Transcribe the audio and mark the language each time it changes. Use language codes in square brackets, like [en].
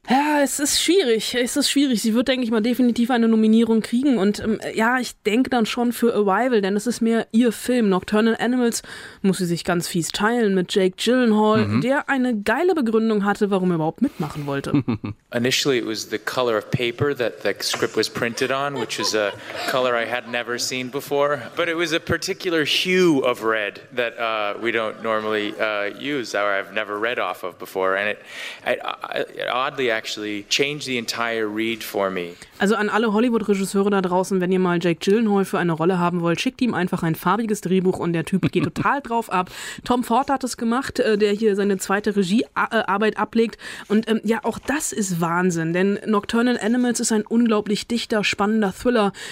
[de] Ja, es ist schwierig. Sie wird, denke ich mal, definitiv eine Nominierung kriegen. Und ja, ich denke dann schon für Arrival, denn es ist mehr ihr Film. Nocturnal Animals muss sie sich ganz fies teilen mit Jake Gyllenhaal, der eine geile Begründung hatte, warum er überhaupt mitmachen wollte. [en] Initially it was the color of paper that the script was printed on, which is a color I had never seen before. But it was a particular hue of red that we don't normally use, or I've never read off of before. And it oddly actually changed the entire read for me. [de] Also an alle Hollywood-Regisseure da draußen, wenn ihr mal Jake Gyllenhaal für eine Rolle haben wollt, schickt ihm einfach ein farbiges Drehbuch und der Typ geht total drauf ab. Tom Ford hat es gemacht, der hier seine zweite Regiearbeit ablegt. Und ja, auch das ist Wahnsinn, denn Nocturnal Animals ist ein unglaublich dichter, spannender Thriller.